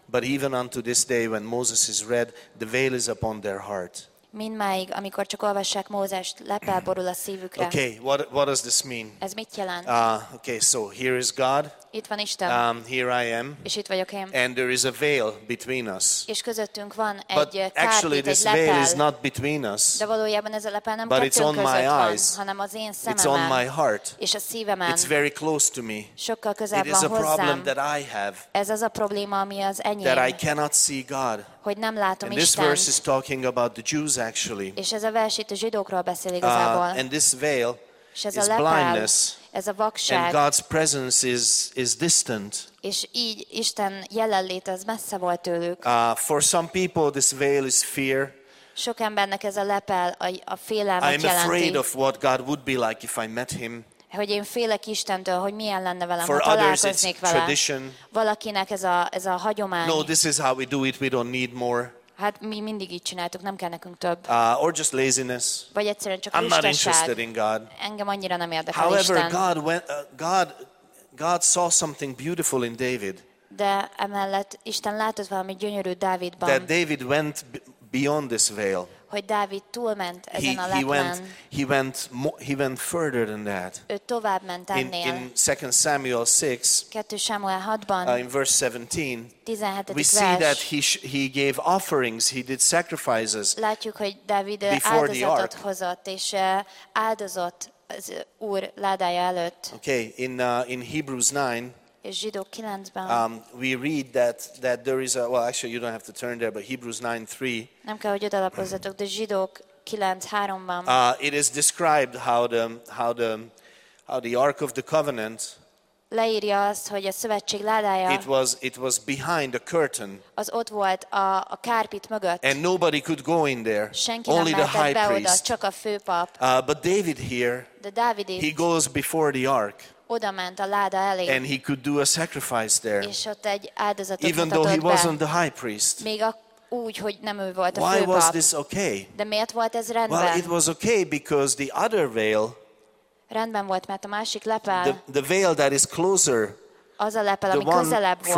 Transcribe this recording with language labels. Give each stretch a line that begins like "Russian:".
English: But even unto this day, when Moses is read, the veil is upon their heart.
Hungarian: Mindmáig, amikor csak olvassák Mózes, lepel borul a szívükre.
English: Okay, what does this mean?
Hungarian: Ez mit jelent?
English: Okay, so here is God.
Hungarian: Itt van Isten.
English: Here I am.
Hungarian: És itt vagyok én.
English: And there is a veil between us.
Hungarian: És közöttünk van egy
English: but
Hungarian: kárpít,
English: actually this
Hungarian: egy lepel.
English: Veil is not between us.
Hungarian: De valójában ez a lepel nem
English: but it's on my eyes.
Hungarian: Van, hanem az én szememen.
English: It's on my heart.
Hungarian: És a szívemen.
English: It's very close to me.
Hungarian: Sokkal közel
English: it is a
Hungarian: hozzám.
English: Problem that I have.
Hungarian: Ez az a probléma, ami az enyém.
English: That I cannot see God.
Hungarian: Hogy nem látom Istent.
English: This verse is talking about the Jews actually.
Hungarian: És ez a vers itt a zsidókról beszél igazából.
English: And this veil
Hungarian: és ez
English: is
Hungarian: a lepel,
English: blindness.
Hungarian: Ez a vakság.
English: And God's presence is distant.
Hungarian: És így Isten jelenlét az messze volt tőlük.
English: For some people this veil is fear.
Hungarian: Sok embernek ez a lepel a félelmet jelenti.
English: I'm afraid of what God would be like if I met him.
Hungarian: Hogy én félek Istentől, hogy milyen lenne velem,
English: for
Hungarian: ha találkoznék vele.
English: Tradition.
Hungarian: Valakinek ez a hagyomány.
English: No, this is how we do it. We don't need more.
Hungarian: Hát mi mindig így csináltuk, nem kell nekünk több.
English: Or just laziness.
Hungarian: Vagy egyszerűen csak
English: I'm not interested in God.
Hungarian: Engem annyira nem érdekel Isten.
English: However, God saw something beautiful in David.
Hungarian: De emellett Isten látott valami gyönyörű Dávidban.
English: That David went beyond this veil.
Hungarian: Hogy Dávid túlment ezen a lepen.
English: He went further than that.
Hungarian: Ő tovább ment ennél.
English: In 2 Samuel 6,
Hungarian: 2 Samuel 6-ban,
English: in verse 17, 17. We see that he gave offerings, he did sacrifices.
Hungarian: Látjuk, hogy Dávid áldozatot hozott és áldozott az Úr ládája előtt.
English: Okay, in Hebrews 9.
Hungarian: És Zsidó 9-ben.
English: We read that there is a well actually you don't have to turn there but Hebrews 9:3.
Hungarian: Nem kell, hogy odalapozzatok, de Zsidók 9:3-ban.
English: It is described how the ark of the covenant.
Hungarian: Leírja azt, hogy a szövetség ládája.
English: It was behind a curtain.
Hungarian: Az ott volt a kárpit mögött.
English: And nobody could go in there.
Hungarian: Senki
English: only
Hungarian: nem mehetett
English: the high
Hungarian: be
English: priest.
Hungarian: Oda, csak a főpap.
English: But David here.
Hungarian: De Dávid itt.
English: He goes before the ark.
Hungarian: Oda ment a láda elé.
English: And he could do a sacrifice there.
Hungarian: És ott egy áldozatot
English: even though he
Hungarian: be.
English: Wasn't the high priest.
Hungarian: Még úgy, hogy nem ő volt a
English: why
Hungarian: főpap.
English: Was this okay?
Hungarian: De miért volt ez rendben?
English: Well, it was okay because the other veil.
Hungarian: Rendben volt, mert a másik lepel.
English: The veil that is closer.
Hungarian: Az a lepel, ami közelebb volt.